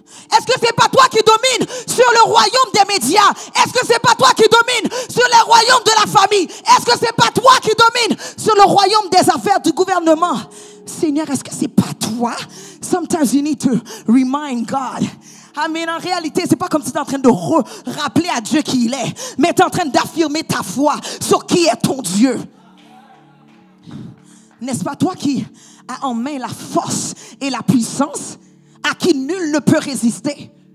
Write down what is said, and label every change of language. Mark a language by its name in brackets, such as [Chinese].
[French] Est-ce que c'est pas toi qui domines sur le royaume des médias? Est-ce que c'est pas toi qui domines sur le royaume de la famille? Est-ce que c'est pas toi qui domines sur le royaume des affaires du gouvernement? Seigneur, est-ce que c'est pas toi? [English] Sometimes you need to remind God. [French] Ah, mais en réalité, c'est pas comme si tu es en train de rappeler à Dieu qui il est, mais tu es en train d'affirmer ta foi sur qui est ton Dieu. N'est-ce pas toi qui as en main la force et la puissance à qui nul ne peut résister?